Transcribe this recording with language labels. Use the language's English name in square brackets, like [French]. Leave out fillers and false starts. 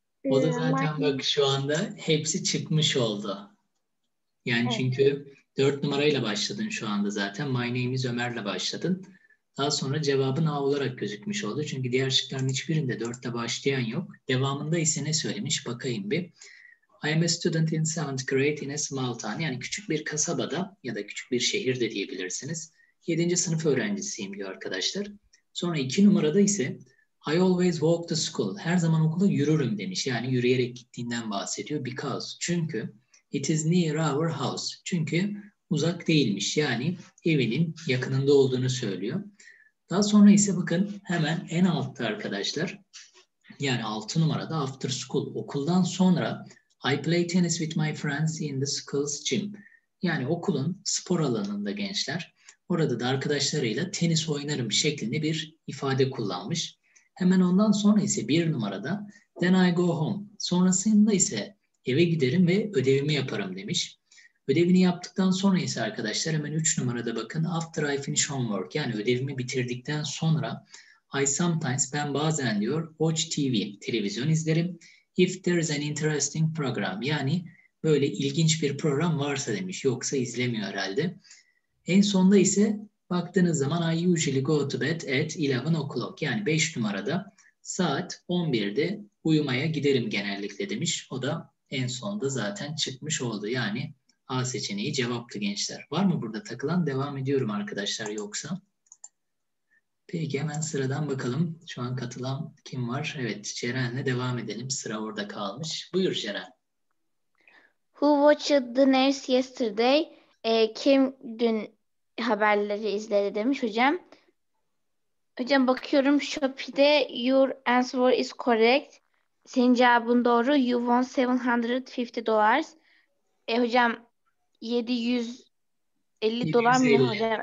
[Turkish] O da zaten bak şu anda hepsi çıkmış oldu. Yani evet. Çünkü 4 numarayla başladın şu anda zaten. [English] My name is [Turkish] Ömer'le başladın. Daha sonra cevabın A olarak gözükmüş oldu. Çünkü diğer şıkların hiçbirinde 4'te başlayan yok. Devamında ise ne söylemiş? Bakayım bir. [English] I am a student in seventh grade in a small town. [Turkish] Yani küçük bir kasabada ya da küçük bir şehirde diyebilirsiniz. 7. sınıf öğrencisiyim diyor arkadaşlar. Sonra 2 numarada ise [English] I always walk to school. [Turkish] Her zaman okula yürürüm demiş. Yani yürüyerek gittiğinden bahsediyor. [English] Because. [Turkish] Çünkü [English] it is near our house. [Turkish] Çünkü uzak değilmiş. Yani evinin yakınında olduğunu söylüyor. Daha sonra ise bakın hemen en altta arkadaşlar. Yani 6 numarada [English] after school. [Turkish] Okuldan sonra [English] I play tennis with my friends in the school's gym. [Turkish] Yani okulun spor alanında gençler. Orada da arkadaşlarıyla tenis oynarım şeklinde bir ifade kullanmış. Hemen ondan sonra ise 1 numarada [English] then I go home. [Turkish] Sonrasında ise eve giderim ve ödevimi yaparım demiş. Ödevini yaptıktan sonra ise arkadaşlar hemen 3 numarada bakın [English] after I finish homework [Turkish] yani ödevimi bitirdikten sonra [English] I sometimes [Turkish] ben bazen diyor [English] watch TV [Turkish] televizyon izlerim. [English] If there is an interesting program [Turkish] yani böyle ilginç bir program varsa demiş yoksa izlemiyor herhalde. En sonda ise baktığınız zaman [English] I usually go to bed at 11 o'clock [Turkish] yani 5 numarada saat 11'de uyumaya giderim genellikle demiş. O da en sonda zaten çıkmış oldu yani A seçeneği cevaptı gençler. Var mı burada takılan? Devam ediyorum arkadaşlar yoksa. Peki hemen sıradan bakalım. Şu an katılan kim var? Evet Ceren'le devam edelim. Sıra orada kalmış. Buyur Ceren. [English] Who watched the news yesterday? [Turkish] Kim dün haberleri izledi demiş hocam. Hocam bakıyorum Shopee'de [English] your answer is correct. [Turkish] Senin cevabın doğru. [English] You won $750. [Turkish] Hocam 750 dolar mı hocam?